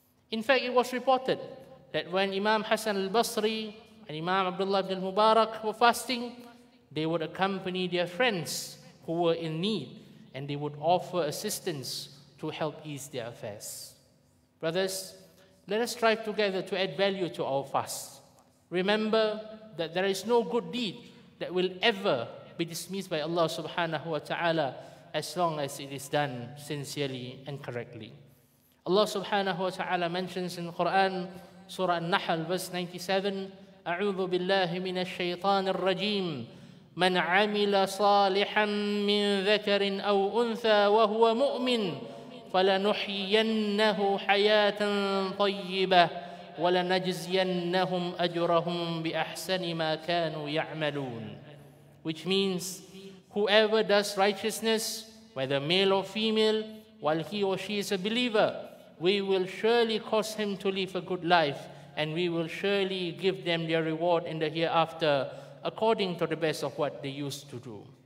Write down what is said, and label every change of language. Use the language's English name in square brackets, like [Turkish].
[English] In fact, it was reported that when Imam Hassan al-Basri and Imam Abdullah ibn al-Mubarak were fasting, they would accompany their friends who were in need and they would offer assistance to help ease their affairs. Brothers, let us strive together to add value to our fast. Remember that there is no good deed that will ever be dismissed by Allah subhanahu wa ta'ala as long as it is done sincerely and correctly. Allah subhanahu wa ta'ala mentions in the Quran, Surah An-Nahl, verse 97, [Arabic] أَعُوذُ بِاللَّهِ مِنَ الشَّيْطَانِ الرَّجِيمِ مَنْ عَمِلَ صَالِحًا مِنْ ذَكَرٍ أَوْ أُنْثَى وَهُوَ مُؤْمِنٍ فَلَنُحْيِيَنَّهُ حَيَاةً طَيِّبَةً وَلَنَجْزِيَنَّهُمْ أَجْرَهُمْ بِأَحْسَنِ مَا كَانُوا يَعْمَلُونَ. [English] Which means, whoever does righteousness, whether male or female, while he or she is a believer, we will surely cause him to live a good life, and we will surely give them their reward in the hereafter according to the best of what they used to do.